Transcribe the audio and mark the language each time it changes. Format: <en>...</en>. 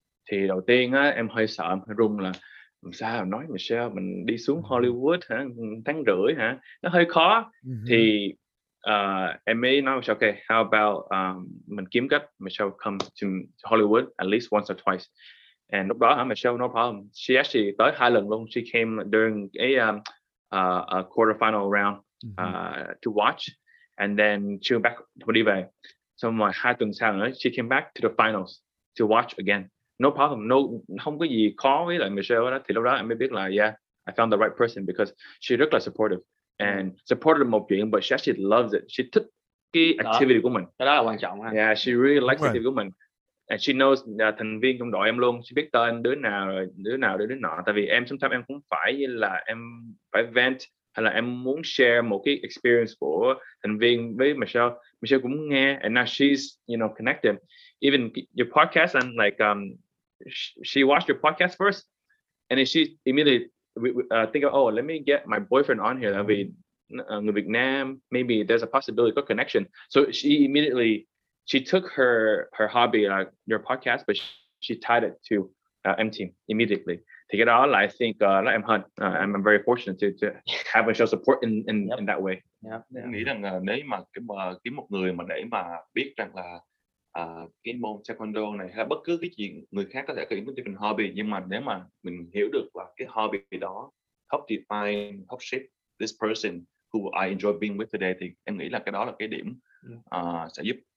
<vi>Thì đầu tiên á em hơi sợ, em hơi run là sao nói Michelle mình đi xuống Hollywood hả? 1.5 tháng hả? Nó hơi khó. Thì em mới nói ok, how about mình kiếm cách Michelle come to Hollywood at least once or twice. And lúc đó Michelle no problem, she actually tới 2 lần luôn.</vi> <en>She came during a quarterfinal round to watch, and then she went back to đi về. So mà 2 tuần sau nữa, she came back to the finals to watch again.</en> <vi>No problem, no không có gì khó với lại Michelle đó. Thì lúc đó em mới biết là yeah, I found the right person because she rất là supportive and supportive một chuyện, but she actually loves it. She thích cái activity của mình. Cái đó là quan trọng ha.</vi> <en>Yeah, she really likes the activity của mình. And she knows thành viên trong đội em luôn, she biết tên đứa nào đứa nọ, tại vì em sometimes em cũng phải là em phải vent hay là em muốn share một cái experience của thành viên với Michelle cũng nghe, and now she's you know connected, even your podcast and like she watched your podcast first, and then she immediately think of, oh let me get my boyfriend on here, tại vì người Việt Nam maybe there's a possibility of connection, so she immediately she took her hobby like your podcast, but she tied it to M Team immediately. To get all, I think là em hơn. I'm very fortunate to have Michelle support in yep. in that way. Yeah.</en> <vi>Nghĩ rằng nếu mà kiếm một người mà để mà biết rằng là cái môn Taekwondo này hay là bất cứ cái gì người khác có thể có những different hobby, nhưng mà nếu mà mình hiểu được là cái hobby đó help define, help shape this person who I enjoy being with today, thì em nghĩ là cái đó là cái điểm sẽ giúp.</vi>